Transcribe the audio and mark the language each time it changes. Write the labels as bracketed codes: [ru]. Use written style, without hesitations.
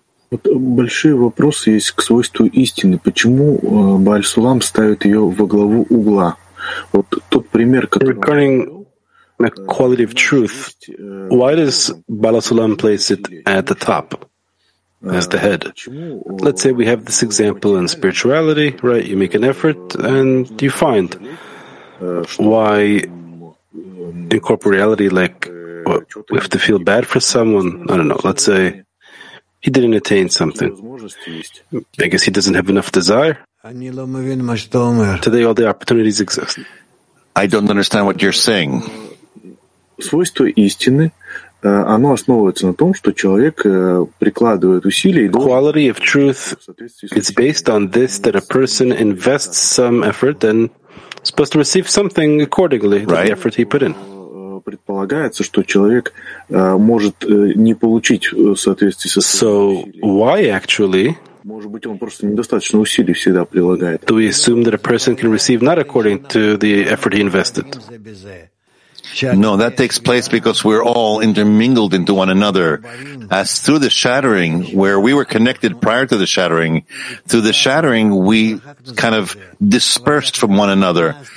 [ru] Большие вопросы есть к свойству истины. Почему Бааль Сулам ставит ее во главу угла? Вот тот пример, который... [en] The quality of truth, why does Baal HaSulam place it at the top, as the head? Let's say we have this example in spirituality, right? You make an effort and you find. Why incorporeality, like we have to feel bad for someone. I don't know. Let's say he didn't attain something. I guess he doesn't have enough desire. Today all the opportunities exist. I don't understand what you're saying. Quality of truth, it's based on this, that a person invests some effort and is supposed to receive something accordingly to the effort he put in. [ru] Предполагается, что человек может не получить соответствии со своими усилиями. [en] So why actually? [ru] Может быть, он просто недостаточно усилий всегда прилагает. [en] Do we assume that a person can receive not according to the effort he invested? No, that takes place because we're all intermingled into one another. As through the shattering, where we were connected prior to the shattering, through the shattering, we kind of dispersed from one another.